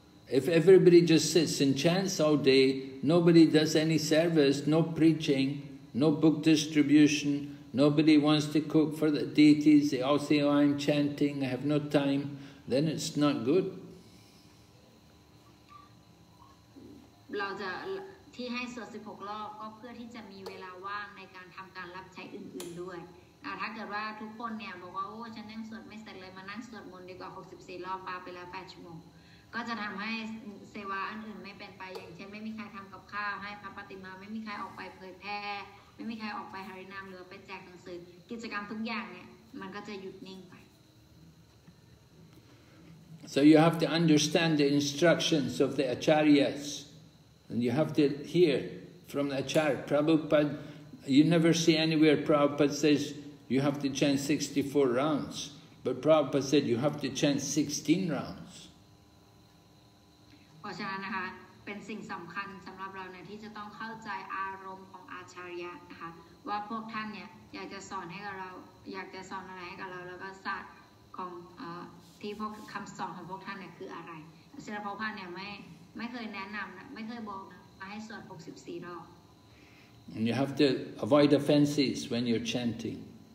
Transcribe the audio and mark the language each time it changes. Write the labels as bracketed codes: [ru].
[en] If everybody just sits and chants all day, nobody does any service, no preaching, no book distribution, nobody wants to cook for the deities, they all say, oh, I'm chanting, I have no time, then it's not good. [th] เราจะที่ให้สวด16รอบก็เพื่อที่จะมีเวลาว่างในการทำการรับใช้อื่นๆด้วยถ้าเกิดว่าทุกคนเนี่ยบอกว่าโอ้ฉันยังสวดไม่เสร็จเลยมานั่งสวดมนต์ดีกว่า64รอบปาไปแล้ว8ชั่วโมงก็จะทำให้เซวาอันอื่นไม่เป็นไปอย่างเช่นไม่มีใครทำกับข้าวให้พระปฏิมาไม่มีใครออกไปเผยแพร่ไม่มีใครออกไปหารินามหรือไปแจกหนังสือกิจกรรมทุกอย่างเนี่ยมันก็จะหยุดนิ่งไป [en] So you have to understand the instructions of the acharyasAnd you have to hear from the acharya. Prabhupada, you never see anywhere Prabhupada says you have to chant 64 rounds. But Prabhupada said you have to chant 16 rounds. And you have to avoid offenses when you're chanting.